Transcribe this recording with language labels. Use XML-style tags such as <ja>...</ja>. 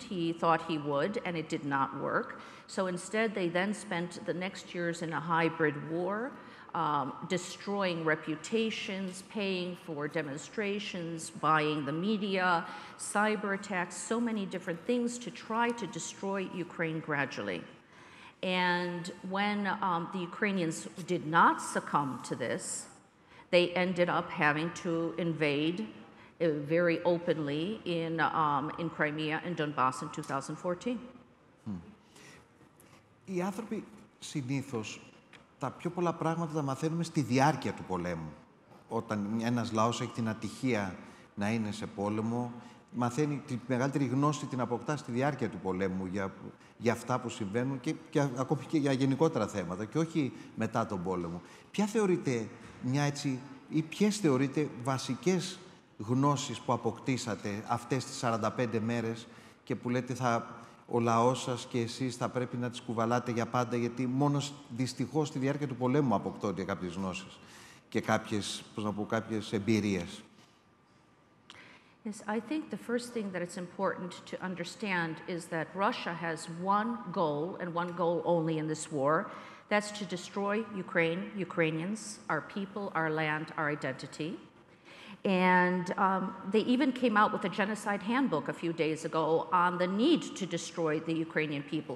<en>He thought he would, and it did not work. So instead, they then spent the next years in a hybrid war, destroying reputations, paying for demonstrations, buying the media, cyber attacks, so many different things to try to destroy Ukraine gradually. And when the Ukrainians did not succumb to this, they ended up having to invade very openly in Crimea and Donbass in 2014. Hmm.</en> <el>Οι άνθρωποι συνήθως τα πιο πολλά πράγματα τα μαθαίνουμε στη διάρκεια του πολέμου. Όταν ένας λαός έχει την ατυχία να είναι σε πόλεμο, μαθαίνει τη μεγαλύτερη γνώση την αποκτά στη διάρκεια του πολέμου για αυτά που συμβαίνουν και ακόμη και για γενικότερα θέματα και όχι μετά τον πόλεμο. Ποια θεωρείτε μια έτσι, ή ποιες θεωρείτε βασικές γνώσεις που αποκτήσατε αυτές τις 45 μέρες και που λέτε θα, ο λαός σας και εσείς θα πρέπει να τις κουβαλάτε για πάντα, γιατί μόνο δυστυχώς στη διάρκεια του πολέμου αποκτώνται κάποιες γνώσεις και κάποιες, πώς να πω, κάποιες εμπειρίες.</el> <en>Yes, I think the first thing that it's important to understand is that Russia has one goal and one goal only in this war. That's to destroy Ukraine, Ukrainians, our people, our land, our identity. And they even came out with a genocide handbook a few days ago on the need to destroy the Ukrainian people.</en>